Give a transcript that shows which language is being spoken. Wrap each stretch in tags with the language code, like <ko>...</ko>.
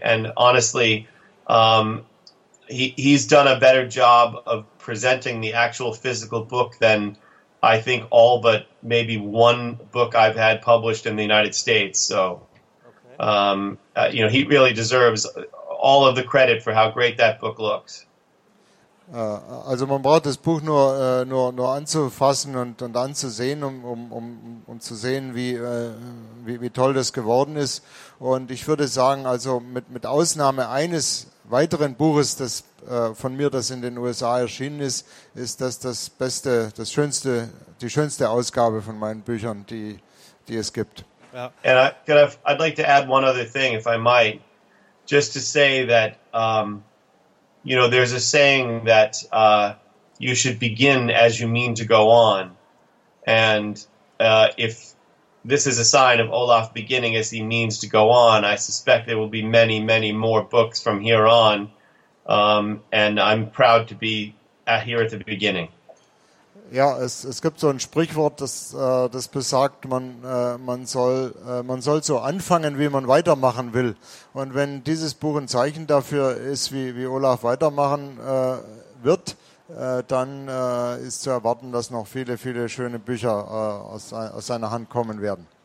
<en>And honestly, he's done a better job of presenting the actual physical book than I think all but maybe one book I've had published in the United States. So You know, he really deserves all of the credit for how great that book looks.</en> <de>Also man braucht das Buch nur anzufassen und anzusehen, um zu sehen, wie toll das geworden ist. Und ich würde sagen, also mit Ausnahme eines weiteren Buches, das von mir, das in den USA erschienen ist, ist das beste, das schönste, die schönste Ausgabe von meinen Büchern, die es gibt. Ja.</de> <en>And I'd like to add one other thing, if I might, just to say that you know, there's a saying that you should begin as you mean to go on. And if this is a sign of Olaf beginning as he means to go on, I suspect there will be many, many more books from here on. And I'm proud to be here at the beginning.</en> <de>Ja, es gibt so ein Sprichwort, das besagt, man soll so anfangen, wie man weitermachen will. Und wenn dieses Buch ein Zeichen dafür ist, wie Olaf weitermachen wird, dann ist zu erwarten, dass noch viele, viele schöne Bücher aus seiner Hand kommen werden.</de>